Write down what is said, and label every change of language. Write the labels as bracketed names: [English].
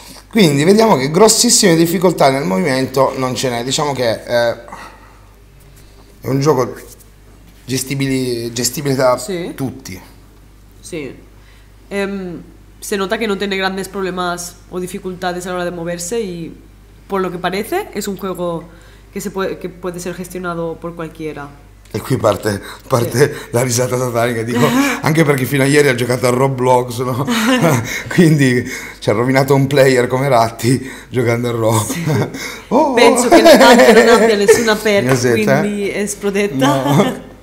[Italian] Quindi vediamo che grossissime difficoltà nel movimento non ce n'è. Diciamo che è un gioco gestibile da sì. Tutti. Sì. [Spanish] Se nota che non tiene grandi problemi o difficoltà [Italian] all'ora di muoversi [Spanish] y... Por lo que parece, es un juego que puede ser gestionado por cualquiera. [Italian] E qui parte sì. La risata satanica, dico, anche perché fino a ieri ha giocato a Roblox, no? Quindi ci ha rovinato un player come Ratti giocando a Roblox. Sì. Oh. Penso che la parte non abbia nessuna perk, quindi è sprodetta. No.